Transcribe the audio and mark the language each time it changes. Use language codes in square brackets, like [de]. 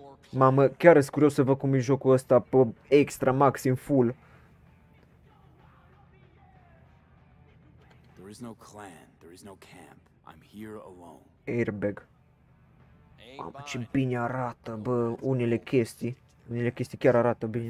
[ro] Mamă, chiar e curios să văd cum e jocul ăsta pe extra maxim full. [en] There is no clan, there is no camp. I'm here alone. Airbag. [ro] Mamă, ce bine arată, bă, unele chestii. Unele chestii chiar arată bine.